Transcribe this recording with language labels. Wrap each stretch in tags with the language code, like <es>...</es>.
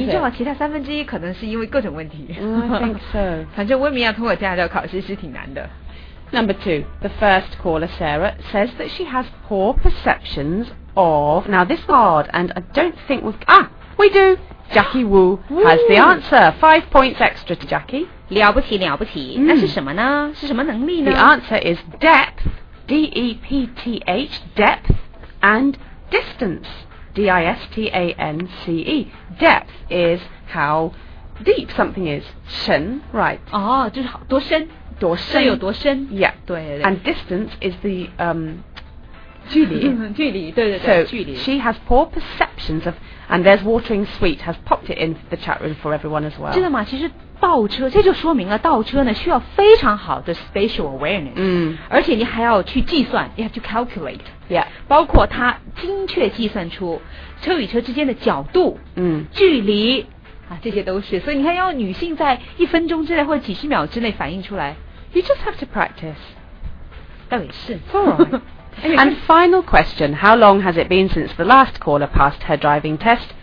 <zh>你知道其他1/3可能是因为各种问题。</zh> <en>I think so.</en> <zh>反正women要通过驾照考试是挺难的。</zh> <en>Number 2, the first caller, Sarah, says that she has poor perceptions of... Now, this card, and I don't think we've... Ah, we do. Jackie Wu has the answer. 5 points extra to Jackie.</en> <zh>了不起了不起、嗯、那是什么呢是什么能力呢</zh> <en>The answer is depth, D-E-P-T-H, depth and distance, D-I-S-T-A-N-C-E. Depth is how deep something is,</en> <zh>深</zh> <en>right?</en> <zh>哦就是多深多深深有多深</zh> <en>Yeah,</en> <zh>对对对</zh> <en>and distance is the...</en> <zh>距离距离对对对</zh> <en>so,</en> <zh>距离</zh> <en>she has poor perceptions of and there's watering sweet has popped it in the chat room for everyone as well</en> <zh>真的吗其实倒车这就说明了倒车呢需要非常好的 spatial awareness、 mm. 而且你还要去计算</zh> <en>you have to calculate、 yeah.</en> <zh>包括它精确计算出车与车之间的角度、 mm. 距离啊，这些都是所以你看要女性在一分钟之内或者几十秒之内反应出来</zh> <en>you just have to practice</en> <zh>倒也是</zh> <en>it's all right And final question, how long has it been since the last caller passed her driving test?</en>